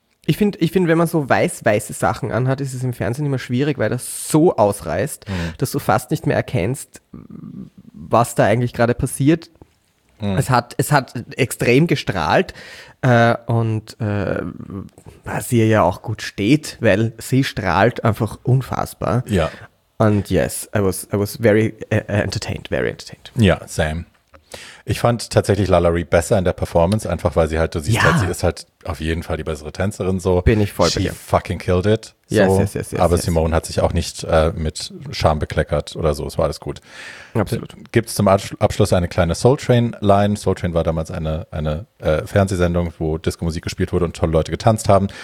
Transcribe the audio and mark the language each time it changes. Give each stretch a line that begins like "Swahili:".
German: Ich finde, wenn man so weiß-weiße Sachen anhat, ist es im Fernsehen immer schwierig, weil das so ausreißt, dass du fast nicht mehr erkennst, was da eigentlich gerade passiert. Mhm. Es hat extrem gestrahlt und was ihr ja auch gut steht, weil sie strahlt einfach unfassbar. Ja.
English: Und yes, I was very entertained, very entertained.
German: Ja, same. Ich fand tatsächlich LaLaurie besser in der Performance, einfach weil sie halt, du siehst halt, sie ist halt auf jeden Fall die bessere Tänzerin so. Bin ich voll bei dir.
English: She fucking killed it. So. Yes.
German: Aber
English: yes.
German: Simone hat sich auch nicht mit Scham bekleckert oder so, es war alles gut. Absolut. Gibt es zum Abschluss eine kleine Soul Train Line. Soul Train war damals eine Fernsehsendung, wo Disco-Musik gespielt wurde und tolle Leute getanzt haben.